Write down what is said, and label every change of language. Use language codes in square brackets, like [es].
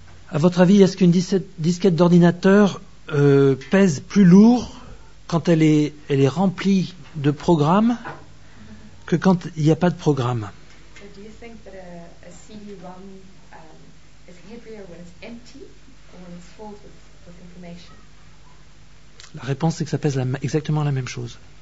[fr] À votre avis, est-ce qu'une disquette d'ordinateur pèse plus lourd quand elle est remplie de programmes que quand il n'y a pas de programme? [en] So a CD-ROM, is empty or when it's filled with information? [fr] La réponse, c'est que ça pèse exactement la même chose.